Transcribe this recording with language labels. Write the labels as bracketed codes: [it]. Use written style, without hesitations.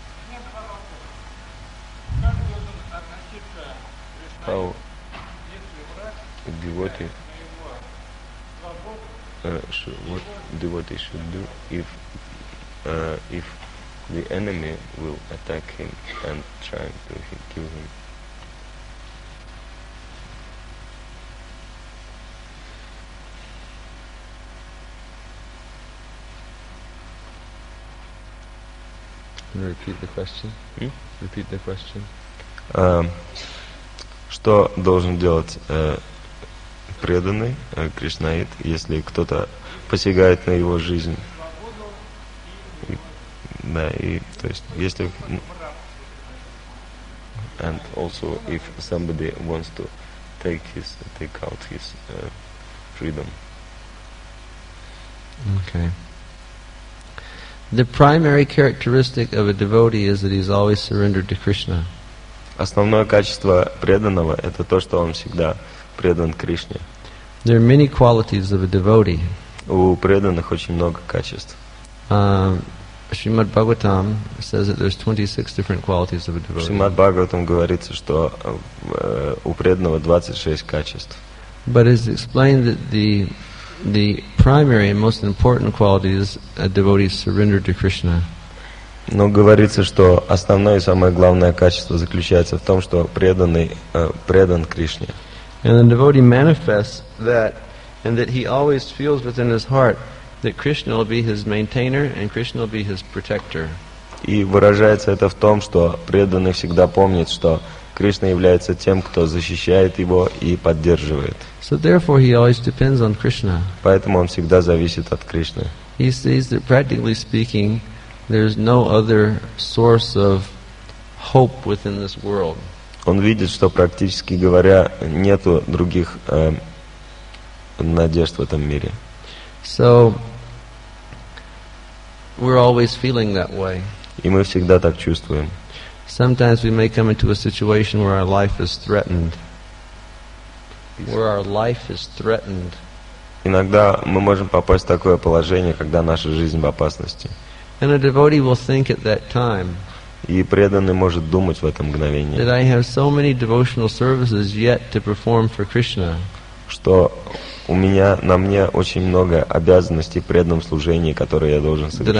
[ru] Нет вопросов. Как должен относиться Кришна, если враг Девоти [en] What Devoti should do if if the enemy will attack him and try to kill him. Can you repeat the question? Repeat the question. [ru] Что должен делать преданный Кришнаид, если кто-то посягает на его жизнь? Да, и то есть если [en] and also if somebody wants to take out his freedom. Okay. The primary characteristic of a devotee is that he's always surrendered to Krishna. [ru] Основное качество преданного это то, что он всегда предан Кришне. [en] There are many qualities of a devotee. [ru] У преданных очень много качеств. [en] Шримад Бхагаватам says that there's 26 different qualities of a devotee. [ru] Шримад Бхагаватам говорится, что у преданного 26 качеств. [en] But it's explained that the primary and most important quality is a devotee's surrender to Krishna. [ru] Но говорится, что основное и самое главное качество заключается в том, что преданный предан Кришне. [en] And the devotee manifests that, and that he always feels within his heart that Krishna will be his maintainer and Krishna will be his protector. [ru] И выражается это в том, что преданный всегда помнит, что Кришна является тем, кто защищает его и поддерживает. [en] So therefore he always depends on Krishna. [ru] Поэтому он всегда зависит от Кришны. [en] He says that practically speaking, there's no other source of hope within this world. [ru] Он видит, что практически говоря, нету других надежд в этом мире. [en] So we're always feeling that way. [ru] И мы всегда так чувствуем. [en] Sometimes we may come into a situation where our life is threatened. Where our life is threatened. [ru] Иногда мы можем попасть в такое положение, когда наша жизнь в опасности. [en] And a devotee will think at that time. [ru] И преданный может думать в это мгновение. [en] That I have so many devotional services yet to perform for Krishna. [ru] Что у меня на мне очень много обязанностей в преданном служении, которые я должен совершить.